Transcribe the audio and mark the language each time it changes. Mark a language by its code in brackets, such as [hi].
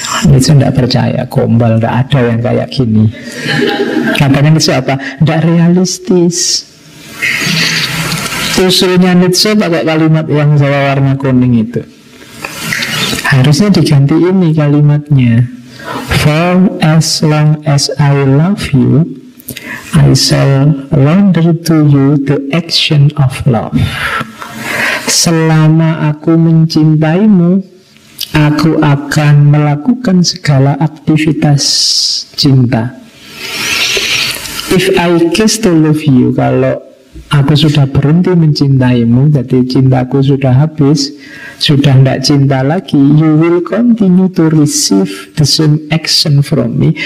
[id] Nietzsche enggak percaya, gombal, enggak ada yang kayak gini. Katanya Nietzsche apa? Enggak realistis. Usulnya Nietzsche pakai kalimat yang saya warna kuning itu. Harusnya diganti ini kalimatnya. [en] For as long as I love you, I shall render to you the action of love. [id] Selama aku mencintaimu, aku akan melakukan segala aktivitas cinta. [en] If I cease to love you, [id] kalau aku sudah berhenti mencintaimu, jadi cintaku sudah habis, sudah tidak cinta lagi, [en] you will continue to receive the same action from me.